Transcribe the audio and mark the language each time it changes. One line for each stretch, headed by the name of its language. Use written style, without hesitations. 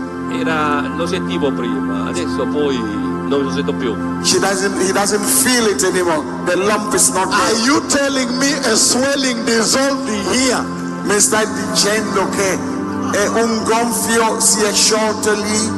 Italian: Era l'oggettivo prima, adesso poi non lo sento più.
English: He doesn't feel it anymore. The lump is not there. Are you telling me a swelling dissolved here?
Italian: Mi stai dicendo che è un gonfio si è sciolto lì?